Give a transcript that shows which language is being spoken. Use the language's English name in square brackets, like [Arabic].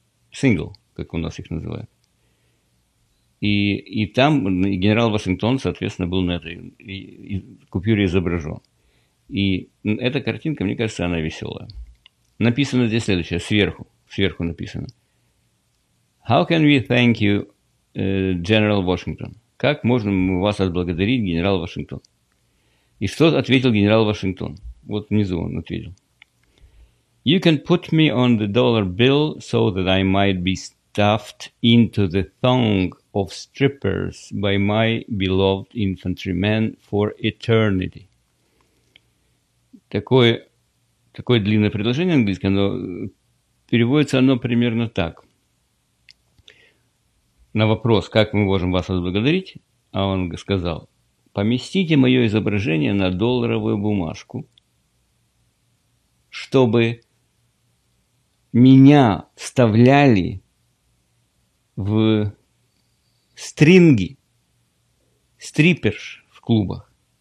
[Russian] Сингл, как у нас их называют. И там генерал Вашингтон, соответственно, был на этой купюре изображен. И эта картинка, мне кажется, она веселая. Написано здесь следующее, сверху написано. [English] How can we thank you, General Washington? [Russian] Как можно мы вас отблагодарить, генерал Вашингтон? И что ответил генерал Вашингтон? Вот внизу он ответил. [English] You can put me on the dollar bill so that I might be stuffed into the thong of strippers by my beloved infantrymen for eternity. [Russian] Такое длинное предложение английское, но переводится оно примерно так. На вопрос, как мы можем вас отблагодарить, а он сказал, поместите мое изображение на долларовую бумажку, чтобы меня вставляли в стринги, стриперш в клубах.